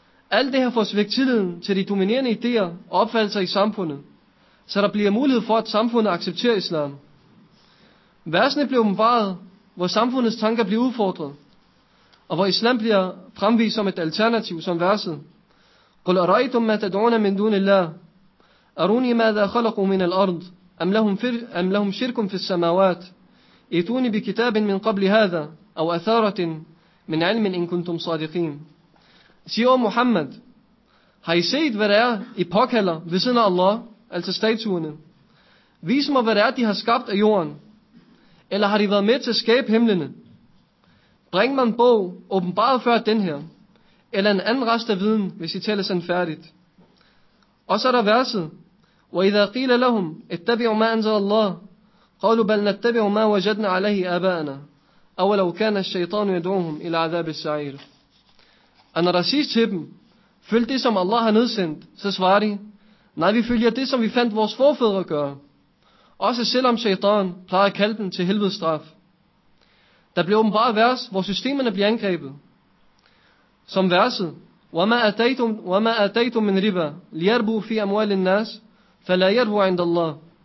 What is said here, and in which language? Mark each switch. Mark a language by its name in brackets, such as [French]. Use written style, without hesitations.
[Danish] Alt det her for at svække tilliden til de dominerende idéer og opfattelser i samfundet, så der bliver mulighed for, at samfundet accepterer islam. Versene blev umvaret, hvor samfundets tanker bliver udfordret, og hvor islam bliver fremvist som et alternativ, som verset. [Arabic] قُلْ أَرَيْتُمْ مَا تَدْعُونَ مِنْ دُونِ اللَّهِ أروني ماذا خلقوا من الأرض أم لهم شرك في السماوات إيتوني بكتاب من قبل هذا أو أثارة من علم إن كنتم صادقين. [Danish] Sig om Muhammad, har I set, hvad der er, I påkalder ved siden af Allah, altså statuerne? Vis mig, hvad der er, de har skabt af jorden, eller har de været med til at skabe himlene? Bring mig en bog, åbenbart før den her, eller en anden rest af viden, hvis I taler sandfærdigt. Og så er der verset, [Arabic] وَإِذَا قِيلَ لَهُمْ اتَّبِعُوا مَا أَنْزَلَ اللَّهُ قَالُوا بَلْ نَتَّبِعُوا مَا وَجَدْنَا عَلَيْهِ آبَاءَنَا أَوَلَوْ كَانَ الشَّيْطَانُ يَدْعُوهُمْ إِلَى عَذَابِ السَّعِيرِ. [Danish] Og når der siges til dem, følg det, som Allah har nedsendt, så svarer de, nej, vi følger det, som vi fandt vores forfædre gøre, også selvom shaitan plejer at kalde dem til helvedes straf. Der bliver åbenbart vers, hvor systemerne bliver angrebet. Som verset, [Arabic] وَمَا أَتَيْتُمْ مِنْ رِبَى لِيَرْبُوا فِي أَمْوَالِ النَّاسِ فَلَا يَرْبُوا عِنْدَ اللَّهِ.